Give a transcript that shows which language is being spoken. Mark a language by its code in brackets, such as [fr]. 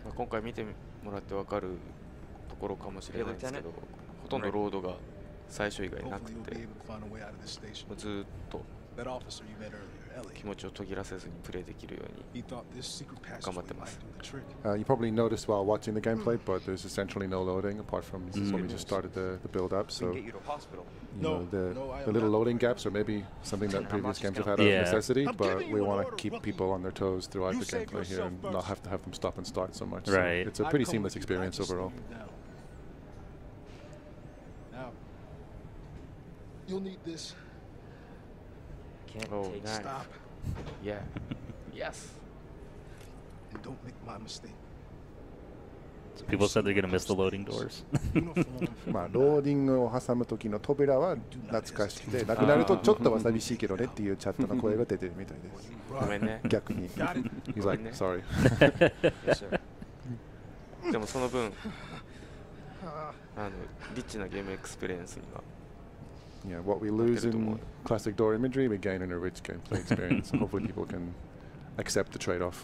[en] Well, [ja] 今回見てもらってわかるところかもしれないですけど、ほとんどロードが最初以外なくて、ずっと。 [en] That officer you met earlier, Ellie. [ja] 気持ちを途切らせずにプレイできるように頑張ってます。 [en] You probably noticed while watching the gameplay, but there's essentially no loading apart from when we just started the build up. So, get you to hospital. The little loading gaps are maybe something that previous games have had out of necessity, but we want to keep people on their toes throughout the gameplay here and not have to have them stop and start so much. Right. So it's a pretty seamless experience overall. Now, you'll need this. Stop. Yeah. Yes. And don't make my mistake. So people said they're going to miss the loading doors. [ja] Loading を挟む時の扉は懐かしくて、なくなるとちょっと寂しいけどねっていうチャットの声が出てるみたいです。ごめんね。逆に。 [en] He's like, sorry. [ja] でもその分、リッチなゲームエクスペリエンスには、 [en] Yeah, what we lose in classic door imagery, we gain in a rich gameplay experience. So hopefully people can accept the trade-off.